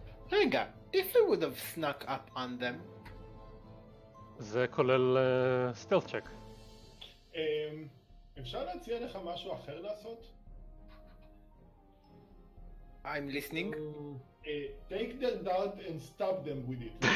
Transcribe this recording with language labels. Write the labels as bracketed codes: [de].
[he] רגע, [en] if I would have snuck up on them. [he] זה כולל stealth check. אפשר להציע לך משהו אחר לעשות? [en] I'm listening. Take their dart and stab them with it.